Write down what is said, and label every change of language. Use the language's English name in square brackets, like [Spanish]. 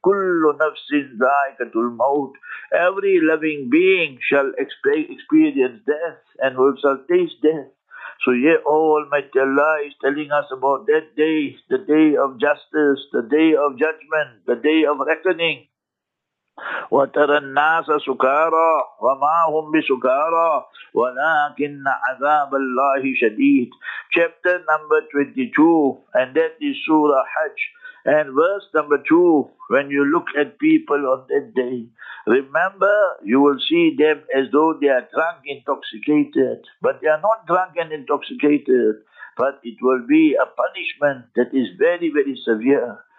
[Arabic] Kullu nafsin zaikatul maut. [English] Every living being shall experience death and will taste death. So yeah, Almighty Allah is telling us about that day, the day of justice, the day of judgment, the day of reckoning. [Arabic] وَتَرَى النَّاسَ سُكَارَى وَمَا هُمْ بِسُكَارَى وَلَكِنَّ عَذَابَ اللَّهِ شَدِيدٌ [English] Chapter number 22, and that is Surah Hajj. And verse number 2, when you look at people on that day, remember, you will see them as though they are drunk, intoxicated. But they are not drunk and intoxicated. But it will be a punishment that is very, very severe.